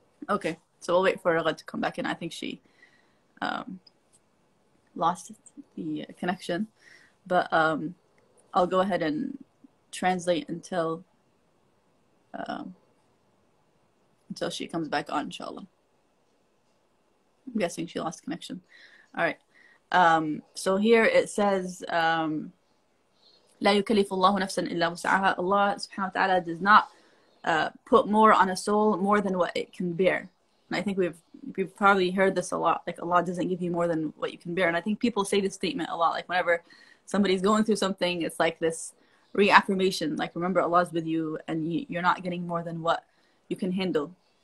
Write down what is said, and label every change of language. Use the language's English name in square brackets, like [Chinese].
[English] Okay, so we'll wait for Raghad to come back in. I think she lost the connection. But I'll go ahead and translate until she comes back on, inshallah. I'm guessing she lost connection. All right. So here it says, [Arabic] لَا يُكَلِّفُ اللَّهُ نَفْسًا إِلَّا وُسْعَهَا. [English] Allah subhanahu wa ta'ala does not put more on a soul more than what it can bear. And I think we've probably heard this a lot, like Allah doesn't give you more than what you can bear. And I think people say this statement a lot, like whenever somebody's going through something, it's like this reaffirmation, like remember Allah's with you and you're not getting more than what you can handle.